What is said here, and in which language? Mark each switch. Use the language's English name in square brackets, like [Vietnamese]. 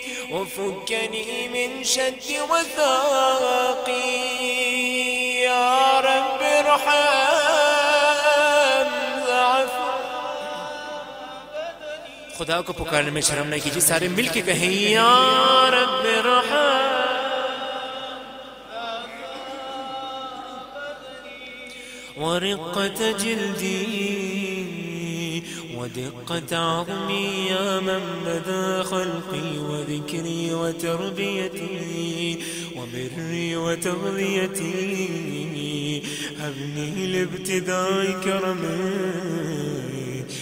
[Arabic] وفكني من شد وثاقي يا رب ارحم ضعفي [Urdu] خدا کو پکارنے میں شرم نہ کیجیے سارے مل کے کہیں [Arabic] یا رب ارحم ورقة جلدي ودقة عظمي يا من بدا خلقي وذكري وتربيتي وبري وتغذيتي هبني لابتداء كرمي